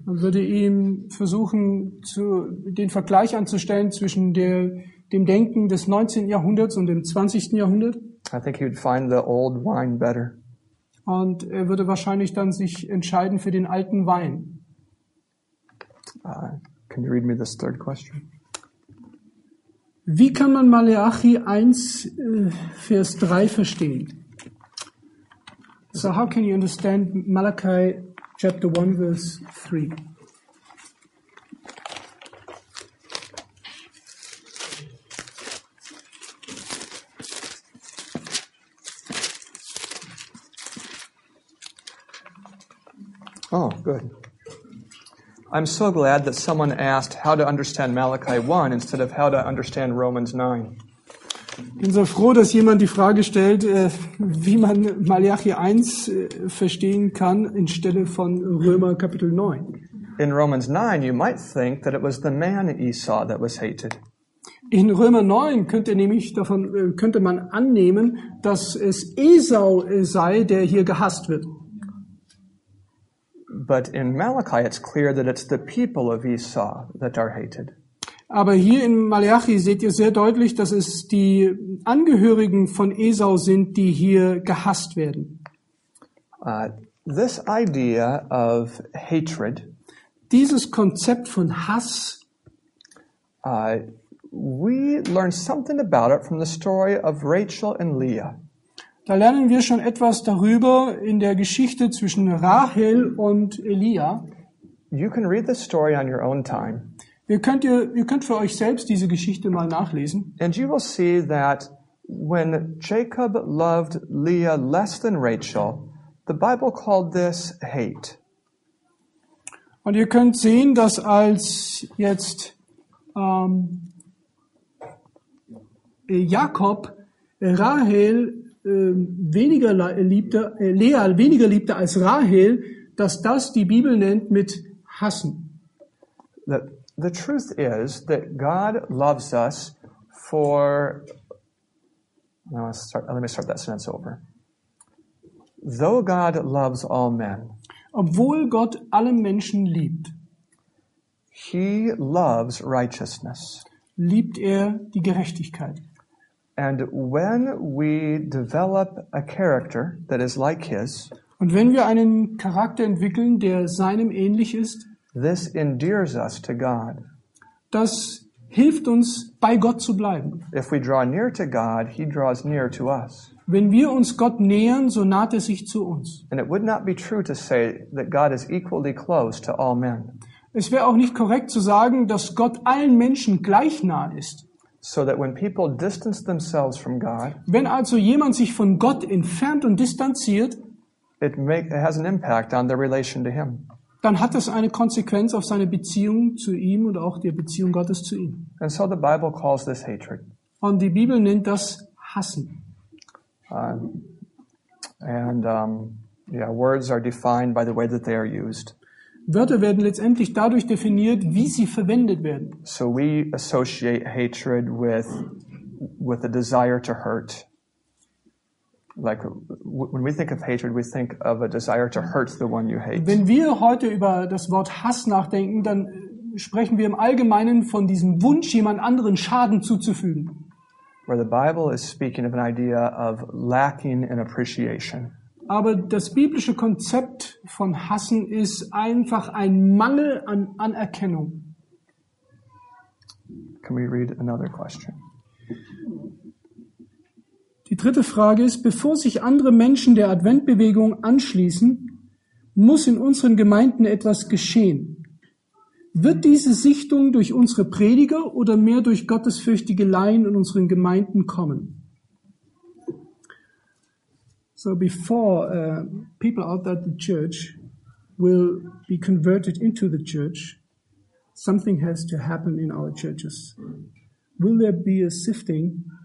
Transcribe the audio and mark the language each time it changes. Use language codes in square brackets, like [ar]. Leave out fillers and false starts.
[de] Und würde ihm versuchen, den Vergleich anzustellen zwischen dem Denken des 19. Jahrhunderts und dem 20. Jahrhundert. [en] I think he would find the old wine better. [de] Und er würde wahrscheinlich dann sich entscheiden für den alten Wein. [en] Can you read me this third question? [de] Wie kann man Malachi 1, Vers 3 verstehen? [en] So how can you understand Malachi chapter 1, verse 3? Oh, good. I'm so glad that someone asked how to understand Malachi 1 instead of how to understand Romans 9. [de] Ich bin so froh, dass jemand die Frage stellt, wie man Malachi 1 verstehen kann anstelle von Römer Kapitel 9. [en] In Romans 9 you might think that it was the man Esau that was hated. [de] In Römer 9 könnte man annehmen, dass es Esau sei, der hier gehasst wird. [en] But in Malachi it's clear that it's the people of Esau that are hated. [de] Aber hier in Malachi seht ihr sehr deutlich, dass es die Angehörigen von Esau sind, die hier gehasst werden. [en] This idea of hatred, [de] dieses Konzept von Hass, [en] we learn something about it from the story of Rachel and Leah. [de] Da lernen wir schon etwas darüber in der Geschichte zwischen Rahel und Elia. [en] You can read the story on your own time. [de] Ihr könnt für euch selbst diese Geschichte mal nachlesen. [en] And you will see that when Jacob loved Leah less than Rachel, the Bible called this hate. [de] Und ihr könnt sehen, dass als jetzt Jakob Rahel weniger liebte, Lea weniger liebte als Rahel, dass das die Bibel nennt mit Hassen. [en] The truth is that God loves us for. Let me start that sentence over. Though God loves all men, [de] obwohl Gott alle Menschen liebt, [en] He loves righteousness. [de] Liebt er die Gerechtigkeit. [en] And when we develop a character that is like His, [de] und wenn wir einen Charakter entwickeln, der seinem ähnlich ist, [en] this endears us to God. [de] Das hilft uns, bei Gott zu bleiben. [en] If we draw near to God, He draws near to us. [de] Wenn wir uns Gott nähern, so naht er sich zu uns. [en] And it would not be true to say that God is equally close to all men. [de] Es wäre auch nicht korrekt zu sagen, dass Gott allen Menschen gleich nah ist. [en] So that when people distance themselves from God, [de] wenn also jemand sich von Gott entfernt und distanziert, [en] it has an impact on their relation to Him. [de] Dann hat das eine Konsequenz auf seine Beziehung zu ihm und auch die Beziehung Gottes zu ihm. [en] And so the Bible calls this hatred. [de] Und die Bibel nennt das Hassen. [en] Words are defined by the way that they are used. [de] Wörter werden letztendlich dadurch definiert, wie sie verwendet werden. [en] So we associate hatred with a desire to hurt. Like when we think of hatred, we think of a desire to hurt the one you hate. [de] Wenn wir heute über das Wort Hass nachdenken, dann sprechen wir im Allgemeinen von diesem Wunsch, jemand anderen Schaden zuzufügen. [en] Where the Bible is speaking of an idea of lacking in appreciation. [de] Aber das biblische Konzept von Hassen ist einfach ein Mangel an Anerkennung. [en] Can we read another question? [de] Die dritte Frage ist, bevor sich andere Menschen der Adventbewegung anschließen, muss in unseren Gemeinden etwas geschehen. Wird diese Sichtung durch unsere Prediger oder mehr durch gottesfürchtige Laien in unseren Gemeinden kommen? [en] So before people out at the church will be converted into the church, something has to happen in our churches. Will there be a sifting?